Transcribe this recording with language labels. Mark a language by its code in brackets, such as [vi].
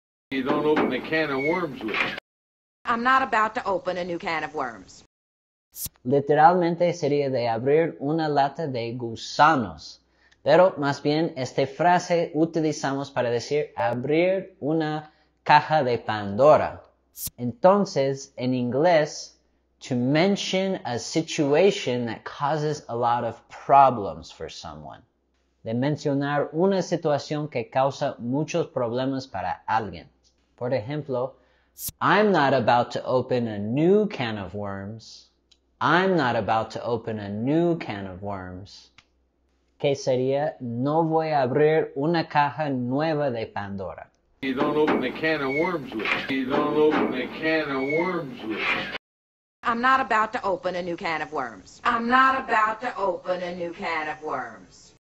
[en] You don't open a can of worms with me. I'm not about to open a new can of worms. [es] Literalmente sería de abrir una lata de gusanos. Pero más bien, esta frase utilizamos para decir abrir una caja de Pandora. Entonces, en inglés, [en] to mention a situation that causes a lot of problems for someone. [es] De mencionar una situación que causa muchos problemas para alguien. Por ejemplo, [en] I'm not about to open a new can of worms. I'm not about to open a new can of worms. [es] ¿Qué sería? No voy a abrir una caja nueva de Pandora. [en] You don't open a can of worms with. You don't open a can of worms with. I'm not about to open a new can of worms. I'm not about to open a new can of worms.